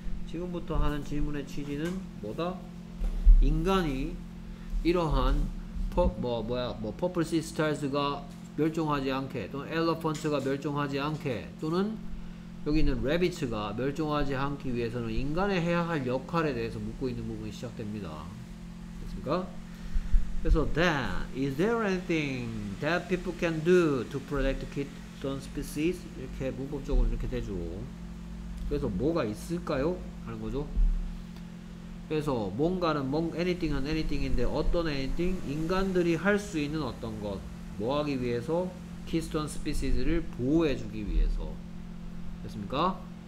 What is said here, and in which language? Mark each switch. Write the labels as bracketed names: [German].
[Korean] 지금부터 하는 질문의 취지는 뭐다? 인간이 이러한 퍼플시 스타즈가 멸종하지 않게, 또는 엘러펀트가 멸종하지 않게, 또는 여기 있는 래빗가 멸종하지 않기 위해서는 인간의 해야 할 역할에 대해서 묻고 있는 부분이 시작됩니다. 됐습니까? 그래서 [English] then, is there anything that people can do to protect kids from species? [Korean] 이렇게 문법적으로 이렇게 되죠. 그래서 뭐가 있을까요? 하는 거죠. 그래서 뭔가는 anything은 anything인데 어떤 anything? 인간들이 할 수 있는 어떤 것 뭐 하기 위해서? Keystone species를 보호해 주기 위해서 됐습니까?